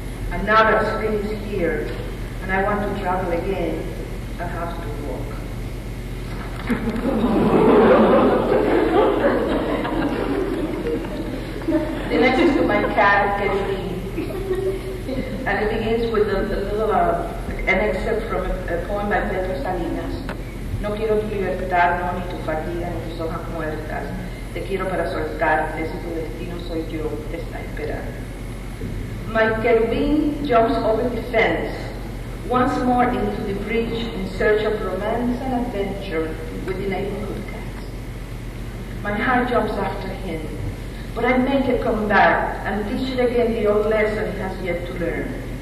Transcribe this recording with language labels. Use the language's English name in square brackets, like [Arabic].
[English] And now that spring is here, and I want to travel again, I have to walk. The next is to my cat, Eddie. And it begins with an excerpt from a poem by Pedro Salinas. [Spanish] No quiero tu libertad, no, ni tu fatiga, ni tus hojas muertas. Te quiero para soltarte, si tu destino soy yo, te está esperando. [English] My querubin jumps over the fence, once more into the bridge in search of romance and adventure with the neighborhood cats. My heart jumps after him, but I make it come back and teach it again the old lesson it has yet to learn.